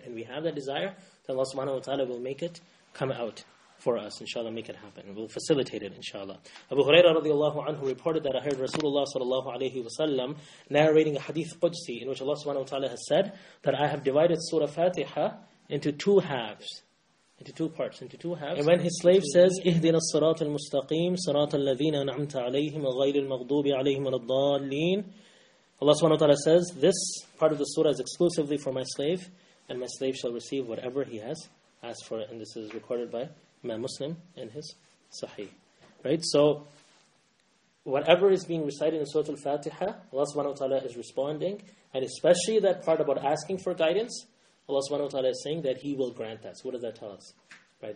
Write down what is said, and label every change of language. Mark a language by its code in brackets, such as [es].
[en] And we have that desire, then Allah subhanahu wa ta'ala will make it come out for us, inshallah, make it happen. We'll facilitate it, inshallah. Abu Hurairah radiallahu anhu reported that I heard Rasulullah sallallahu alayhi wa sallam narrating a hadith Qudsi in which Allah subhanahu wa ta'ala has said that I have divided Surah Fatiha into two halves. Into two parts, into two halves. [ar] And when his slave says, اِهْدِنَا الصِّرَاطَ الْمُسْتَقِيمِ صِرَاطَ الَّذِينَ نَعْمْتَ عَلَيْهِمْ غَيْرِ الْمَغْضُوبِ عَلَيْهِمْ وَالضَّالِّينَ [en] Allah subhanahu wa ta'ala says, this part of the surah is exclusively for my slave, and my slave shall receive whatever he has asked for. And this is recorded by Imam Muslim in his Sahih. Right? So, whatever is being recited in Surah Al-Fatiha, Allah subhanahu wa ta'ala is responding, and especially that part about asking for guidance, Allah subhanahu wa ta'ala is saying that He will grant us. What does that tell us? Right?